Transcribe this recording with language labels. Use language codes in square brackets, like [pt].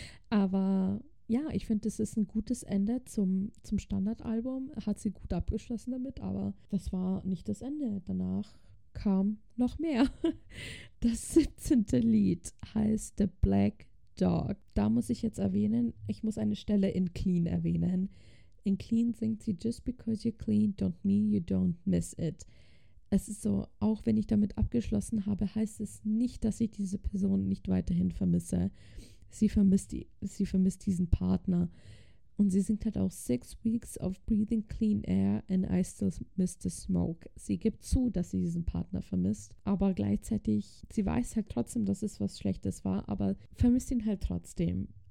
[de] Aber ja, ich finde, das ist ein gutes Ende zum Standardalbum. Hat sie gut abgeschlossen damit, aber das war nicht das Ende. Danach kam noch mehr. Das 17. Lied heißt The Black Dog. Da muss ich jetzt erwähnen, ich muss eine Stelle in Clean erwähnen. In Clean singt sie [en] Just because you're clean don't mean you don't miss it. [de] Es ist so, auch wenn ich damit abgeschlossen habe, heißt es nicht, dass ich diese Person nicht weiterhin vermisse. Sie vermisst diesen Partner. Und sie singt halt auch [en] 6 weeks of breathing clean air and I still miss the smoke. [de] Sie gibt zu, dass sie diesen Partner vermisst. Aber gleichzeitig, sie weiß halt trotzdem, dass es was Schlechtes war, aber vermisst ihn halt trotzdem.